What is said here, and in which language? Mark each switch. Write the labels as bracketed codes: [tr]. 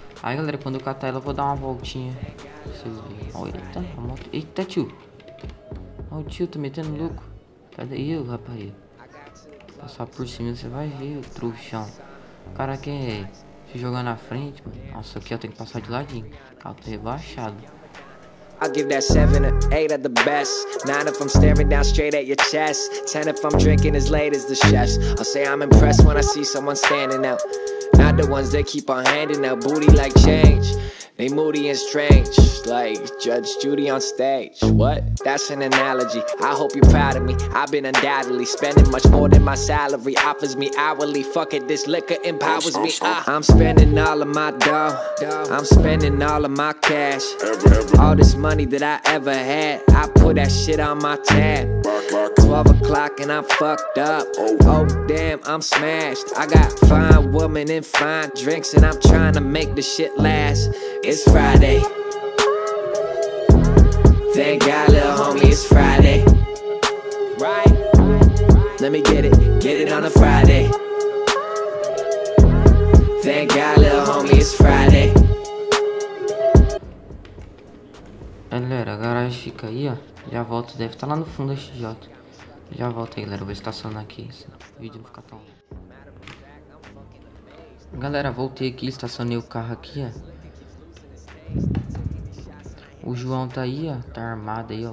[pt] Aí galera, quando eu catar ela, eu vou dar uma voltinha. Vocês veem. Oh, eita, a moto. Eita, tio. Ó, o tio, tá metendo louco. Cadê eu, rapaz? Passar por cima, você vai ver o trouxão. O cara quer se jogar na frente, mano. Nossa, aqui eu tenho que passar de ladinho. Carro tá rebaixado. [en] I give that 7 or 8 at the best. 9 if I'm staring down straight at your chest. 10 if I'm drinking as late as the chefs. I'll say I'm impressed when I see someone standing out. Not the ones that keep on handing out booty like change. They moody and strange, like Judge Judy on stage. What? That's an analogy. I hope you're proud of me. I've been undoubtedly spending much more than my salary offers me hourly. Fuck it, this liquor empowers me. I'm spending all of my dough. I'm spending all of my cash. All this money that I ever had, I put that shit on my tab. 12 o'clock and I'm fucked up. Oh damn, I'm smashed. I got fine woman and fine drinks, and I'm trying to make the shit last. It's Friday. Thank God, little homie, it's Friday. Right? Let me get it on a Friday. Thank God, little homie, it's Friday. [pt] Galera, a garagem fica aí, ó. Já volto, deve estar lá no fundo da XJ. Já volto aí, galera. Vou estacionar aqui, senão o vídeo não fica tão longo. Galera, voltei aqui, estacionei o carro aqui, ó. O João tá aí, ó. Tá armado aí, ó.